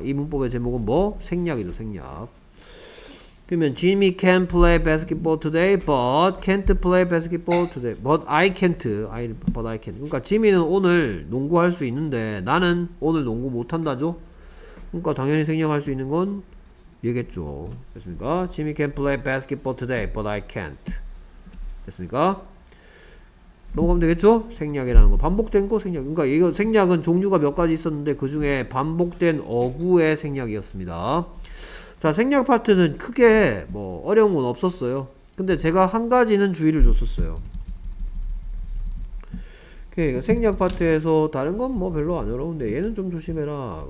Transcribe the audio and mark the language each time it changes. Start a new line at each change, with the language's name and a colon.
Korean: 이 문법의 제목은 뭐? 생략이죠, 생략. 그러면
English: Jimmy can play basketball today, but can't play basketball today. But I can't. But I can't.
Korean: 그러니까 Jimmy는 오늘 농구할 수 있는데 나는 오늘 농구 못한다죠? 그러니까 당연히 생략할 수 있는 건 얘겠죠. 됐습니까?
English: Jimmy can play basketball today, but I can't.
Korean: 됐습니까? 녹음 되겠죠? 생략이라는 거. 반복된 거 생략. 그러니까 이거 생략은 종류가 몇 가지 있었는데 그 중에 반복된 어구의 생략이었습니다. 자, 생략 파트는 크게 뭐 어려운 건 없었어요. 근데 제가 한 가지는 주의를 줬었어요. 그러니까 생략 파트에서 다른 건 뭐 별로 안 어려운데 얘는 좀 조심해라.